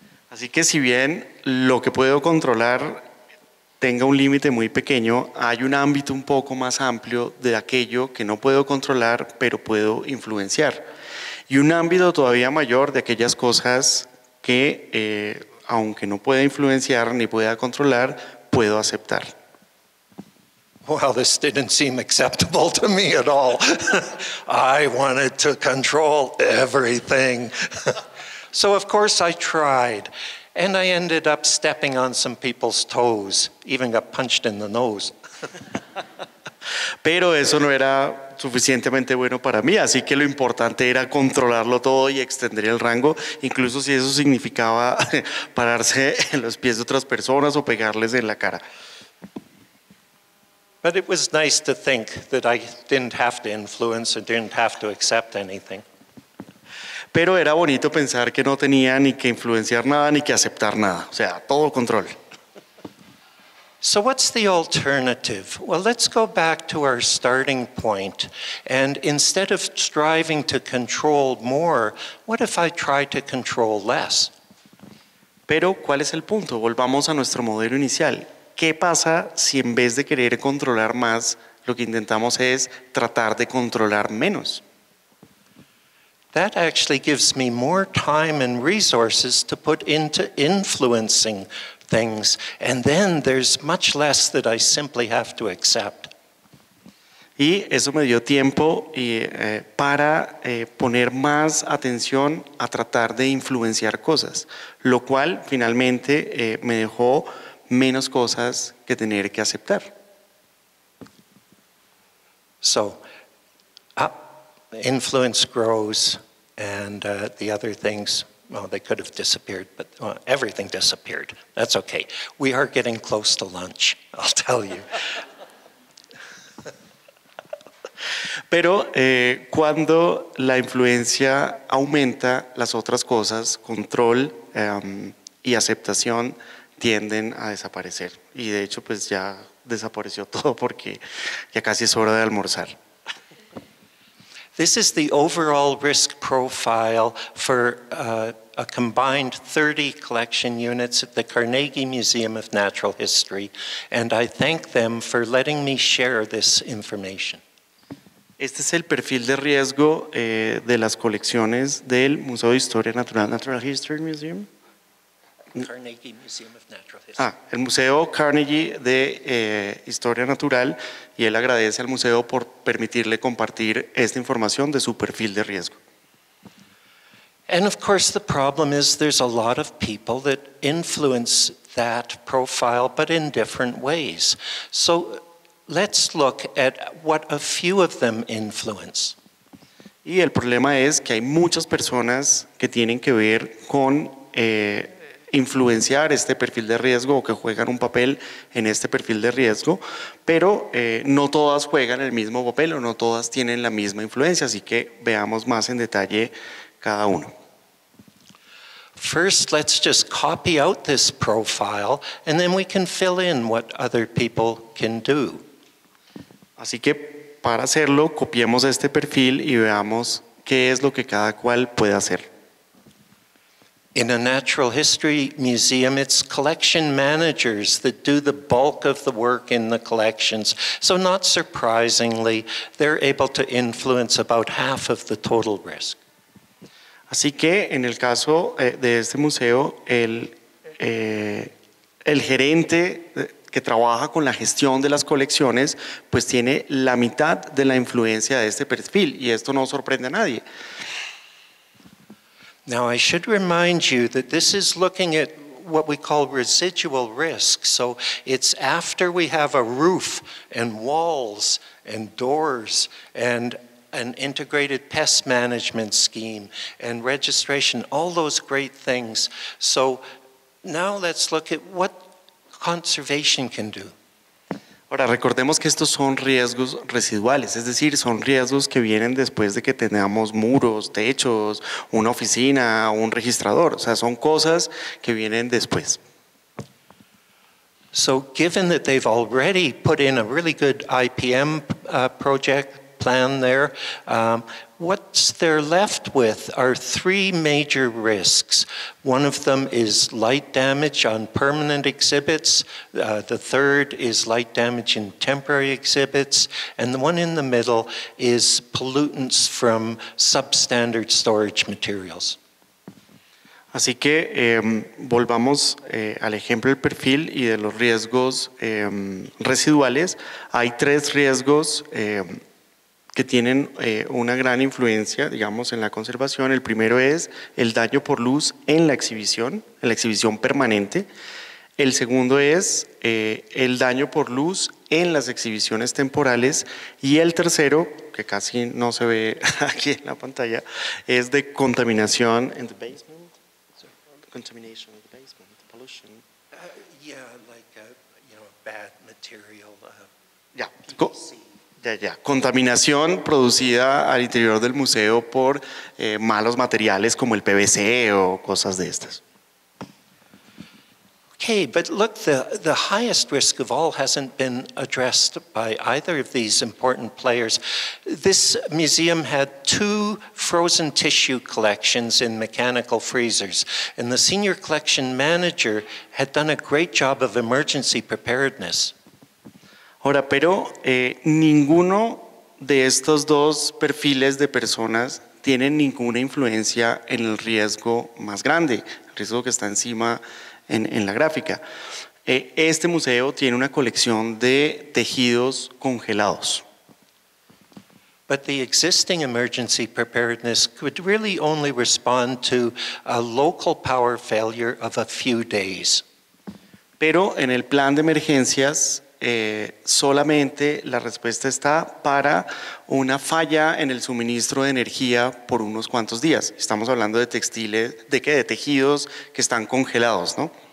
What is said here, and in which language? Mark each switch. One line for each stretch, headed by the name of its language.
Spanish: Así que si bien lo que puedo controlar tenga un límite muy pequeño, hay un ámbito un poco más amplio de aquello que no puedo controlar, pero puedo influenciar. Y un ámbito todavía mayor de aquellas cosas que, aunque no pueda influenciar ni pueda controlar, puedo aceptar.
English: Well, this didn't seem acceptable to me at all. I wanted to control everything. So, of course, I tried. And I ended up stepping on some people's toes, even got punched in the nose.
Spanish: Pero eso no era suficientemente bueno para mí, así que lo importante era controlarlo todo y extender el rango, incluso si eso significaba pararse en los pies de otras personas o pegarles en la cara.
English: But it was nice to think that I didn't have to influence or didn't have to accept anything.
Spanish: Pero era bonito pensar que no tenía ni que influenciar nada ni que aceptar nada, o sea, todo control.
English: So what's the alternative? Well, let's go back to our starting point. And instead of striving to control more, what if I try to control less?
Spanish: Pero ¿cuál es el punto? Volvamos a nuestro modelo inicial. ¿Qué pasa si en vez de querer controlar más, lo que intentamos es tratar de controlar menos?
English: That actually gives me more time and resources to put into influencing things. And then there's much less that I simply have to accept.
Spanish: Y eso me dio tiempo para poner más atención a tratar de influenciar cosas, lo cual finalmente me dejó menos cosas que tener que aceptar.
English: So, influence grows. And the other things, well, they could have disappeared, but well, everything disappeared. That's okay. We are getting close to lunch, I'll tell you.
Spanish: Pero cuando la influencia aumenta, las otras cosas, control y aceptación, tienden a desaparecer. Y de hecho, pues ya desapareció todo porque ya casi es hora de almorzar.
English: This is the overall risk profile for a combined 30 collection units at the Carnegie Museum of Natural History, and I thank them for letting me share this information.
Spanish: Este es el perfil de riesgo de las colecciones del Museo de Historia Natural, Natural History Museum.
English: Carnegie Museum of Natural History.
Spanish: Ah, el Museo Carnegie de Historia Natural, y él agradece al museo por permitirle compartir esta información de su perfil de riesgo.
English: And of course the problem is there's a lot of people that influence that profile, but in different ways. So let's look at what a few of them influence.
Spanish: Y el problema es que hay muchas personas que tienen que ver con influenciar este perfil de riesgo o que juegan un papel en este perfil de riesgo, pero no todas juegan el mismo papel o no todas tienen la misma influencia, así que veamos más en detalle cada uno.
English: First, let's just copy out this profile and then we can fill in what other people can do.
Spanish: Así que para hacerlo, copiemos este perfil y veamos qué es lo que cada cual puede hacer.
English: In a natural history museum, it's collection managers that do the bulk of the work in the collections. So not surprisingly, they're able to influence about half of the total risk.
Spanish: Así que en el caso de este museo, el gerente que trabaja con la gestión de las colecciones, pues tiene la mitad de la influencia de este perfil, y esto no sorprende a nadie.
English: Now I should remind you that this is looking at what we call residual risk. So it's after we have a roof and walls and doors and an integrated pest management scheme and registration, all those great things. So now let's look at what conservation can do.
Spanish: Ahora recordemos que estos son riesgos residuales, es decir, son riesgos que vienen después de que tengamos muros, techos, una oficina, un registrador, o sea, son cosas que vienen después.
English: So given that they've already put in a really good IPM project plan there, what's they're left with are three major risks. One of them is light damage on permanent exhibits. The third is light damage in temporary exhibits. And the one in the middle is pollutants from substandard storage materials.
Spanish: Así que volvamos al ejemplo del perfil y de los riesgos residuales. Hay tres riesgos que tienen una gran influencia, digamos, en la conservación. El primero es el daño por luz en la exhibición permanente. El segundo es el daño por luz en las exhibiciones temporales. Y el tercero, que casi no se ve aquí en la pantalla, es de contaminación.
English: In the basement? Contamination in the basement, the pollution. Bad material.
Spanish: Contaminación producida al interior del museo por malos materiales como el PVC o cosas de estas.
English: Okay, but look, the highest risk of all hasn't been addressed by either of these important players. This museum had two frozen tissue collections in mechanical freezers, and the senior collection manager had done a great job of emergency preparedness.
Spanish: Ahora, pero ninguno de estos dos perfiles de personas tiene ninguna influencia en el riesgo más grande, el riesgo que está encima en la gráfica. Este museo tiene una colección de tejidos congelados.
English: But the existing emergency preparedness could really only respond to a local power failure of a few days.
Spanish: Pero en el plan de emergencias, solamente la respuesta está para una falla en el suministro de energía por unos cuantos días. Estamos hablando de textiles, de tejidos que están congelados, ¿no?